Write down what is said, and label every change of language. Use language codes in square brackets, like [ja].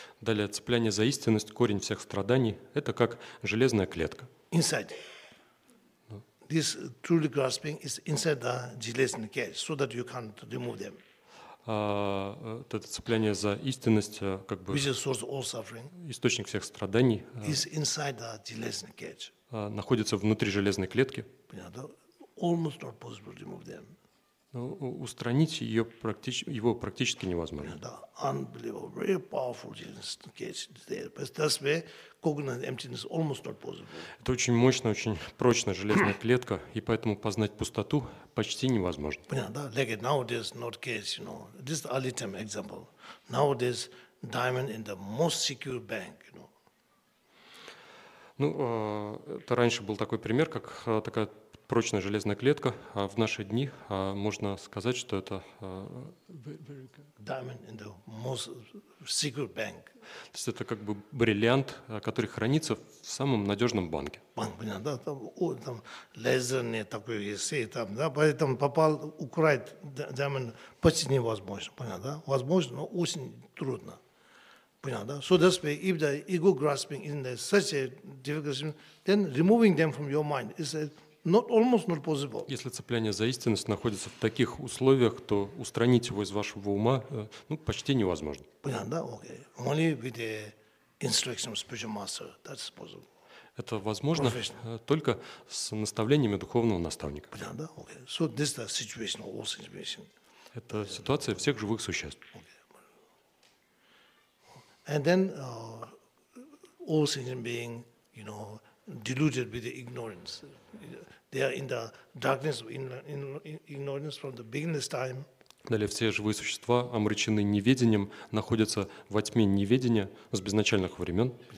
[ru] Далее, цепляние за истинность, корень всех страданий, это как железная клетка. [en] Inside. This truly grasping is inside the железный cage, so that you can't remove them. [ru] Это цепляние за истинность, как бы... [en] Which is source of all suffering. [ru] Источник всех страданий. [en] Is inside the железный cage. [ru] Находится внутри железной клетки. Понятно? [en] Almost not possible to remove them. [ru] Но устранить ее практически невозможно. [en] Да, unbelievable, very powerful cage there. But that's where cognitive emptiness almost not possible. [ru] Это очень мощная, очень прочная железная клетка, и поэтому познать пустоту почти невозможно. Понятно, да? [en] Like nowadays not case, you know. This early time example. Nowadays diamond in the most secure bank, you know. [ru] Ну, это раньше был такой пример, как такая прочная железная клетка, а в наши дни можно сказать, что это [en] diamond in the most secure bank. [ru] То есть это как бы бриллиант, который хранится в самом надежном банке. Банк, понятно, да, там лазерный такой есть, там, да, поэтому попал, украть diamond почти невозможно, понятно, да, возможно, но очень трудно, понятно, да. [en] So that's why if the ego grasping is in such a difficulty, then removing them from your mind is a not almost not possible. [ru] Если цепляние за истинность находится в таких условиях, то устранить его из вашего ума, ну, почти невозможно. Понятно, да? Okay. [en] Only with the instruction of spiritual master, that's possible. [ru] Это возможно только с наставлениями духовного наставника. Понятно, да? Okay. [en] So this is the situation of all situations. [ru] Это ситуация всех живых существ. [en] Okay. And then all sentient being, you know, deluded with the ignorance. They are in the darkness of ignorance from the beginning of time. [ru] Далее все живые существа омрачены неведением, находятся во тьме неведения с безначальных времен.